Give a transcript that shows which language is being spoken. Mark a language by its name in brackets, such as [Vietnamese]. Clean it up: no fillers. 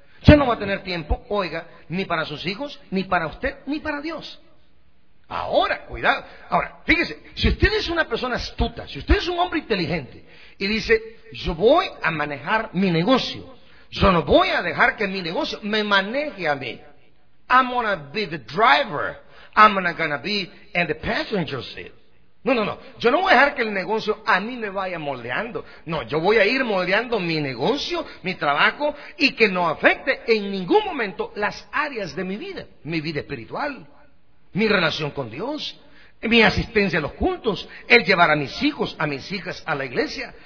[Spanish] Ya no va a tener tiempo, oiga, ni para sus hijos, ni para usted, ni para Dios. Ahora, cuidado. Ahora, fíjese, si usted es una persona astuta, si usted es un hombre inteligente y dice, yo voy a manejar mi negocio, yo no voy a dejar que mi negocio me maneje a mí. [English] I'm gonna be the driver. I'm not gonna be in the passenger seat. [Spanish] No. Yo no voy a dejar que el negocio a mí me vaya moldeando. No, yo voy a ir moldeando mi negocio, mi trabajo, y que no afecte en ningún momento las áreas de mi vida. Mi vida espiritual, mi relación con Dios, mi asistencia a los cultos, el llevar a mis hijos, a mis hijas a la iglesia.